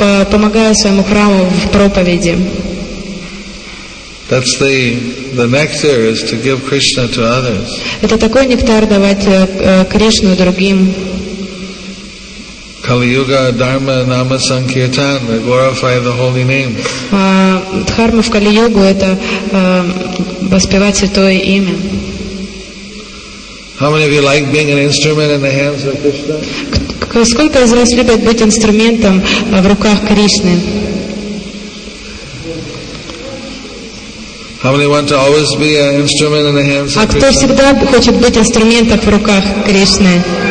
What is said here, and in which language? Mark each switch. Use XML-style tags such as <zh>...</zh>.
<ru>Помогая своему храму в проповеди.</ru> <en>That's the nectar is to give Krishna to others.</en> <ru>Это такой нектар давать Кришну другим.</ru> <en>Kali-yuga dharma nama sankirtan, glorify the holy name.</en> <ru>Дхарма в Кали-йогу это воспевать святое имя.</ru> <en>How many of you like being an instrument in the hands of Krishna?</en> <ru>Сколько из вас любят быть инструментом в руках Кришны?</ru> <en>How many want to always be an instrument in the hands of Krishna?</en> <ru>А кто всегда хочет быть инструментом в руках Кришны?</ru>